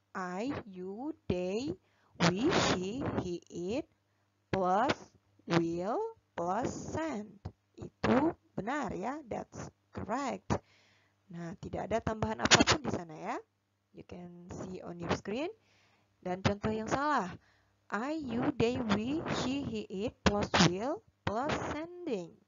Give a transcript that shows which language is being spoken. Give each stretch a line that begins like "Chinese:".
English: I, you, they, we, she, he, it, plus will, plus sent.
Indonesian: Itu benar ya,
English: that's correct.
Indonesian: Nah, tidak ada tambahan apapun di sana ya.
English: You can see on your screen.
Indonesian: Dan contoh yang salah.
English: I, you, they, we, she, he, it, plus will, plus sending.